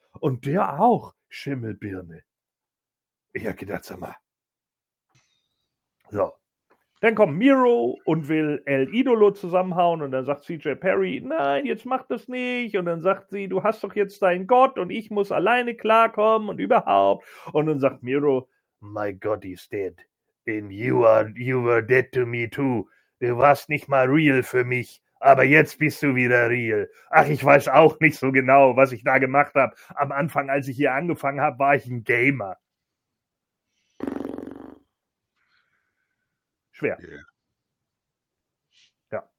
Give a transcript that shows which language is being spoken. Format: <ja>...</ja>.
<de>Und der auch, Schimmelbirne. Ich hab gedacht, sag mal. So. Dann kommt Miro und will El Idolo zusammenhauen und dann sagt CJ Perry, nein, jetzt mach das nicht. Und dann sagt sie, du hast doch jetzt deinen Gott und ich muss alleine klarkommen und überhaupt. Und dann sagt Miro,</de> <en>my God, he's dead. And you were dead to me too.</en> <de>Du warst nicht mal real für mich. Aber jetzt bist du wieder real. Ach, ich weiß auch nicht so genau, was ich da gemacht habe. Am Anfang, als ich hier angefangen habe, war ich ein Gamer. Schwer. Yeah. Ja.</de>